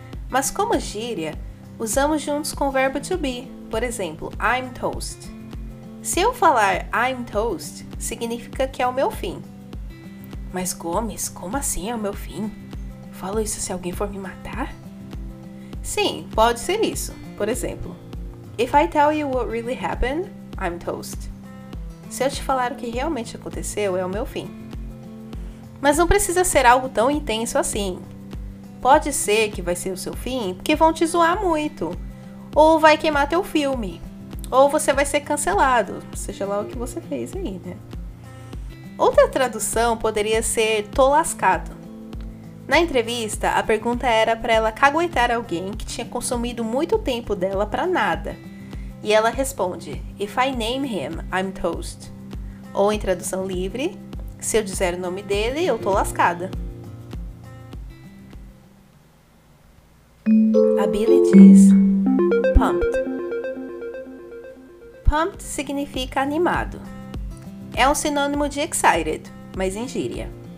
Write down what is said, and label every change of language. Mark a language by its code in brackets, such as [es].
[pt] Mas como gíria, usamos juntos com o verbo to be, por exemplo, [en] I'm toast. [pt] Se eu falar [en] I'm toast, [pt] significa que é o meu fim. Mas Gomes, como assim é o meu fim? Falo isso se alguém for me matar? Sim, pode ser isso. Por exemplo, [en] if I tell you what really happened, I'm toast. [pt] Se eu te falar o que realmente aconteceu, é o meu fim. Mas não precisa ser algo tão intenso assim. Pode ser que vai ser o seu fim, porque vão te zoar muito. Ou vai queimar teu filme. Ou você vai ser cancelado, seja lá o que você fez aí, né? Outra tradução poderia ser tô lascado. Na entrevista, a pergunta era para ela caguetar alguém que tinha consumido muito tempo dela para nada. E ela responde, [en] if I name him, I'm toast. [pt] Ou em tradução livre, se eu disser o nome dele, eu tô lascada. A Billie diz pumped. Pumped significa animado. É um sinônimo de excited, mas em gíria.